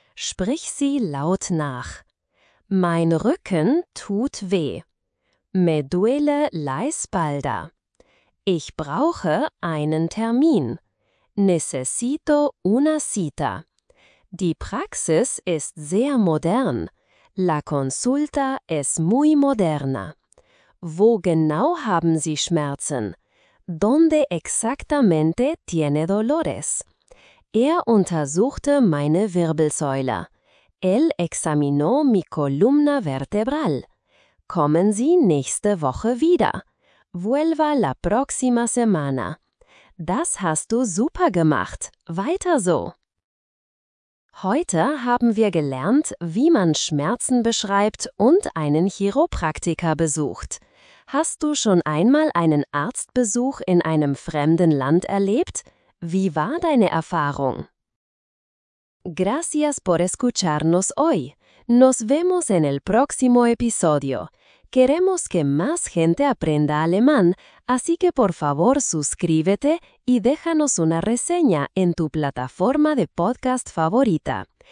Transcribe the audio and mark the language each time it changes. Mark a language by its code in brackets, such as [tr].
[de] Sprich sie laut nach. Mein Rücken tut weh. [es] Me duele la espalda. [de] Ich brauche einen Termin. [es] Necesito una cita. [de] Die Praxis ist sehr modern. [es] La consulta es muy moderna. [de] Wo genau haben Sie Schmerzen? [es] ¿Dónde exactamente tiene dolores? [de] Er untersuchte meine Wirbelsäule. [es] Él examinó mi columna vertebral. [de] Kommen Sie nächste Woche wieder. [es] Vuelva la próxima semana. [de] Das hast du super gemacht. Weiter so. Heute haben wir gelernt, wie man Schmerzen beschreibt und einen Chiropraktiker besucht. Hast du schon einmal einen Arztbesuch in einem fremden Land erlebt? Wie war deine Erfahrung? [es] Gracias por escucharnos hoy. Nos vemos en el próximo episodio. Queremos que más gente aprenda alemán, así que por favor suscríbete y déjanos una reseña en tu plataforma de podcast favorita.